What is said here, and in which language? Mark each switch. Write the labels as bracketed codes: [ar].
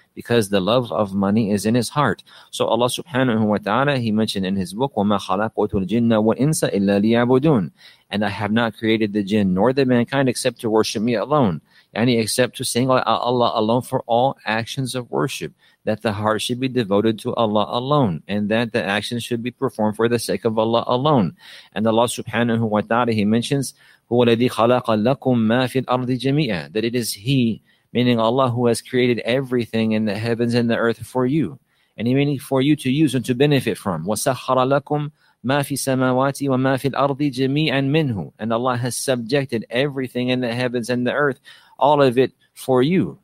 [en] Because the love of money is in his heart. So Allah subhanahu wa ta'ala, he mentioned in his book, [ar] وَمَا خَلَقْتُ الْجِنَّ وَالْإِنسَ إِلَّا لِيَعْبُدُونَ. [en] And I have not created the jinn nor the mankind except to worship me alone. Yani, except to sing Allah alone for all actions of worship. That the heart should be devoted to Allah alone. And that the actions should be performed for the sake of Allah alone. And Allah subhanahu wa ta'ala, he mentions, [ar] هُوَ الَّذِي خَلَقَ لَكُمْ مَا فِي الْأَرْضِ جَمِيعًا. [en] That it is he, meaning Allah, who has created everything in the heavens and the earth for you. And he meaning for you to use and to benefit from. [ar] وَسَخَّرَ لَكُمْ مَا فِي السَّمَاوَاتِ وَمَا فِي الْأَرْضِ جَمِيعًا مِنْهُ. [en] And Allah has subjected everything in the heavens and the earth, all of it for you.